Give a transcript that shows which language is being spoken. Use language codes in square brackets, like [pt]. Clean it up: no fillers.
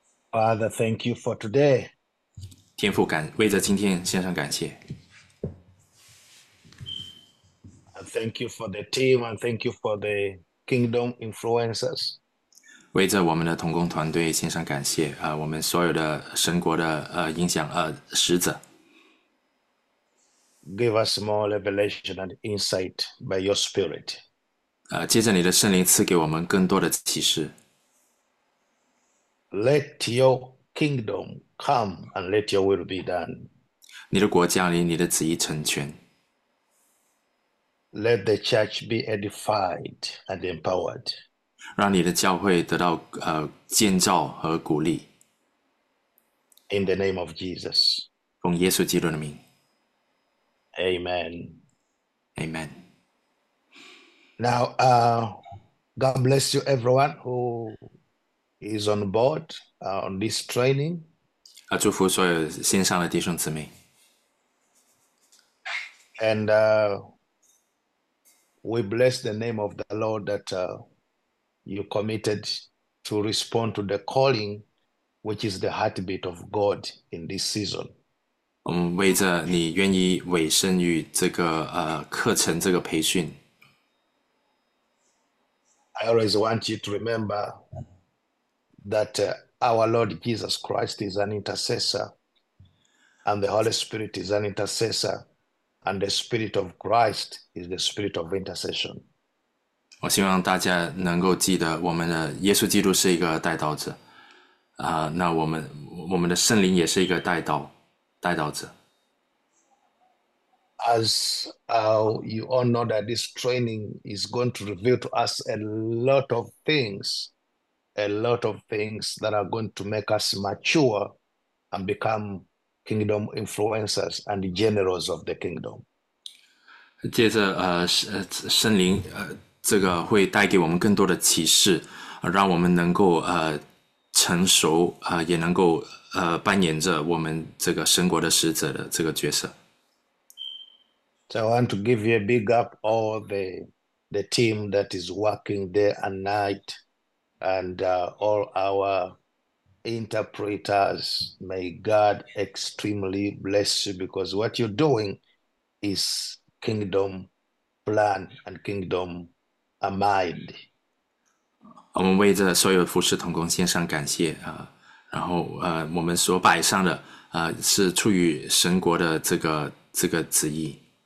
[en] Father, thank you for today. [zh] 天父感，为着今天献上感谢。 [en] And thank you for the team and thank you for the kingdom influencers. [zh] 为着我们的同工团队献上感谢，我们所有的神国的影响使者。 [en] Give us more revelation and insight by your spirit. [zh] 借着你的圣灵赐给我们更多的启示。 [en] Let your kingdom come and let your will be done. [zh] 你的国降临，你的旨意成全。 [en] Let the church be edified and empowered. [zh] 让你的教会得到建造和鼓励。 [en] In the name of Jesus. [zh] 奉耶稣基督的名。 [en] Amen. Amen. Now, God bless you, everyone who is on board on this training. [zh] 祝福所有线上的弟兄姊妹。 [en] And we bless the name of the Lord that you committed to respond to the calling, which is the heartbeat of God in this season. [zh] 我们为着你愿意委身于这个课程这个培训。 [en] I always want you to remember that our Lord Jesus Christ is an intercessor, and the Holy Spirit is an intercessor, and the Spirit of Christ is the Spirit of intercession. [zh] 我希望大家能够记得，我们的耶稣基督是一个代祷者，那我们的圣灵也是一个代祷者。 [en] As you all know that this training is going to reveal to us a lot of things that are going to make us mature and become kingdom influencers and generals of the kingdom. [zh] 接着圣灵这个会带给我们更多的启示，让我们能够成熟，也能够扮演着我们这个神国的使者的这个角色。 [en] So I want to give you a big up all the team that is working day and night, and all our interpreters. May God extremely bless you, because what you're doing is kingdom plan and kingdom mind. [zh] 我们为着所有服侍同工献上感谢然后我们所摆上的是出于神国的这个旨意。